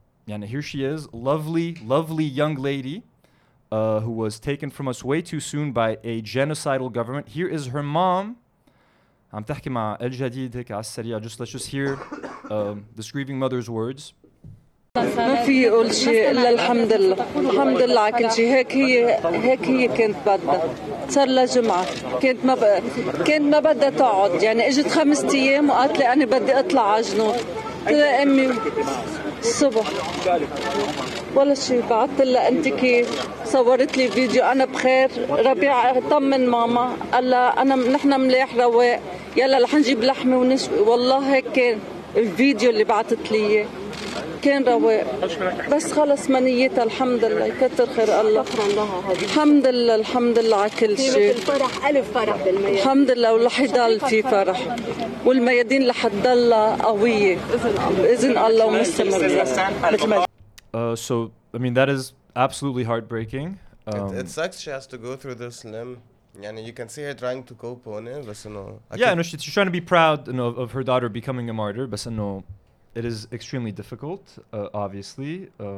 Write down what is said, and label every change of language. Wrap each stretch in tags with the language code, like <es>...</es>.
<en>And here she is, lovely, lovely young lady who was taken from us way too soon by a genocidal government. Here is her mom. I'm talking about El Jadid, just let's just hear this grieving mother's words.</en> <ar>ما في أول شيء إلا الحمد لله الحمد لله على كل شيء هيك هي هيك هي كانت بدها صار لها جمعة كانت ما بدها تقعد يعني اجت خمسة أيام وقالت لي أنا بدي أطلع على جنوب قلت لها أمي الصبح ولا شيء بعثت لها أنت كيف صورت لي فيديو أنا بخير ربيع طمن ماما قال لها أنا نحن ملاح رواق يلا رح نجيب لحمة ونشوي والله هيك كان الفيديو اللي بعثت لي كان رواق بس خلص منيتها الحمد لله يكثر خير الله الحمد لله الحمد لله على كل شيء الفرح ألف فرح بالميادين الحمد لله ولح يضل في فرح والميادين لح تضل قوية بإذن الله ومستمر</ar> <en>So I mean that is absolutely heartbreaking. It sucks she has to go through this limb. Yani you can see her trying to cope on it, but no. Yeah, no, she's trying to be proud, you know, of her daughter becoming a martyr, but no, it is extremely difficult, obviously.</en>